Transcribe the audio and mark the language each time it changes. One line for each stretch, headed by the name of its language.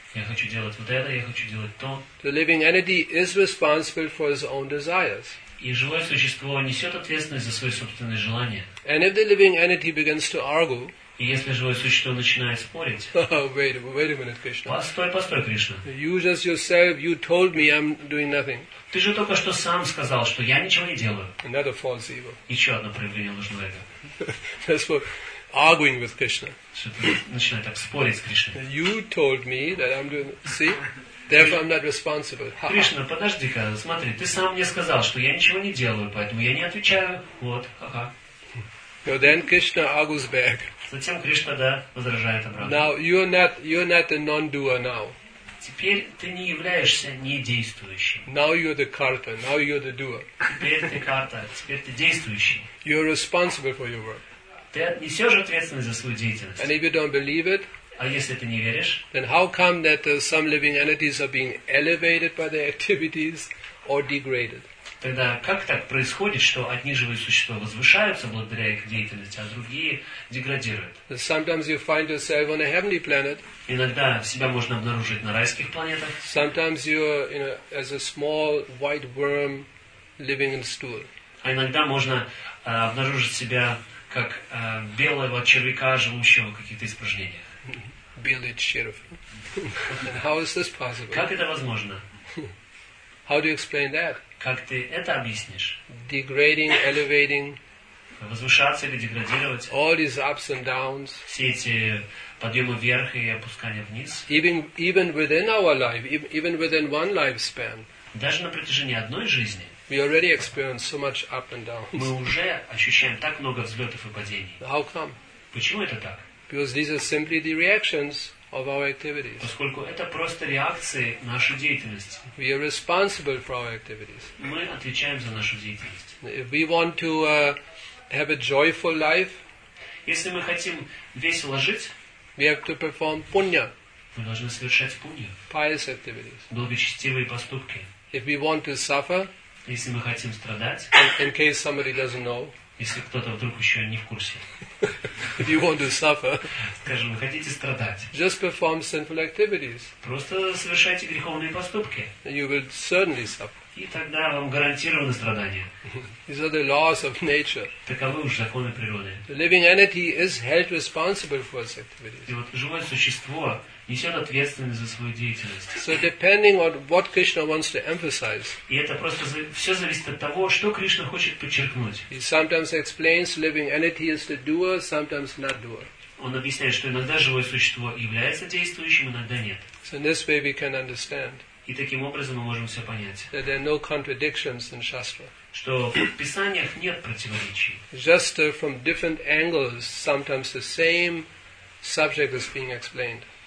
Russian: Я хочу делать вот это, я хочу делать то.
English: The living entity is responsible for his own desires.
Russian: И живое существо несет ответственность за свои собственные желания.
English: And if the living entity begins to argue.
Russian: И если живое существо начинает спорить.
English: Wait a minute, Krishna.
Russian: Постой, Кришна.
English: You just yourself, you told me I'm doing nothing.
Russian: Ты же только что сам сказал, что я ничего не делаю.
English: Another false ego.
Russian: Еще одно проявление ложного эго.
English: That's for arguing with Krishna.
Russian: Что ты начинаешь так спорить с Кришной.
English: You told me that I'm doing... See? Therefore, I'm not responsible.
Russian: Кришна, подожди-ка, смотри, ты сам мне сказал, что я ничего не делаю, поэтому я не отвечаю. Вот,
English: So then Krishna argues back.
Russian: Затем Кришна, да, возражает обратно.
English: Now you're not the non-doer now.
Russian: Теперь ты не являешься недействующим.
English: Now you're the karta, now you're the doer.
Russian: Теперь ты карта, теперь ты действующий.
English: You're responsible for your work.
Russian: Ты Ты несешь ответственность за свою деятельность.
English: And if you don't believe it,
Russian: а если ты не веришь,
English: then how come that some living entities are being elevated by their activities or degraded?
Russian: Тогда как так происходит, что одни живые существа возвышаются благодаря их деятельности, а другие деградируют?
English: Sometimes you find yourself on a heavenly planet.
Russian: Иногда себя можно обнаружить на райских планетах.
English: Sometimes you're, you know, as a small white worm living in stool.
Russian: А иногда можно обнаружить себя как белого червяка, живущего в каких-то испражнениях. Белый червяк.
English: How is this possible?
Russian: Как это возможно?
English: How do you explain that?
Russian: Как ты это объяснишь?
English: Degrading, elevating.
Russian: Возвышаться или деградировать.
English: All these ups and downs.
Russian: Все эти подъемы вверх и опускания вниз.
English: Even within our life, even within one lifespan.
Russian: Даже на протяжении одной жизни.
English: We already experience so much up and downs.
Russian: Мы уже ощущаем так много взлетов и падений.
English: How come?
Russian: Почему это так?
English: Because these are simply the reactions of our activities.
Russian: Поскольку это просто реакции нашей деятельности.
English: We are responsible for our activities.
Russian: Мы отвечаем за нашу деятельность.
English: If we want to have a joyful life,
Russian: если мы хотим весело жить,
English: we have to perform punya.
Russian: Мы должны совершать пунья.
English: Pious activities.
Russian: Благочестивые поступки.
English: If we want to suffer,
Russian: если мы хотим страдать,
English: in case somebody doesn't know,
Russian: если кто-то вдруг еще не в курсе.
English: If you want to suffer,
Russian: скажем, вы хотите страдать.
English: Just perform sinful activities.
Russian: Просто совершайте греховные поступки.
English: You will certainly suffer.
Russian: И тогда вам гарантированы страдания.
English: These are the laws of nature.
Russian: Таковы уж законы природы.
English: The living entity is held responsible for its activities.
Russian: И вот живое существо несет ответственность за свою деятельность.
English: So depending on what Krishna wants to emphasize.
Russian: И это просто все зависит от того, что Кришна хочет подчеркнуть.
English: He sometimes explains living entity is the doer, sometimes not doer.
Russian: Он объясняет, что иногда живое существо является действующим, иногда нет.
English: So in this way we can understand.
Russian: И таким образом мы можем все понять.
English: That there are no contradictions in Shastra.
Russian: Что в писаниях нет противоречий.
English: Just from different angles, sometimes the same subject is being explained.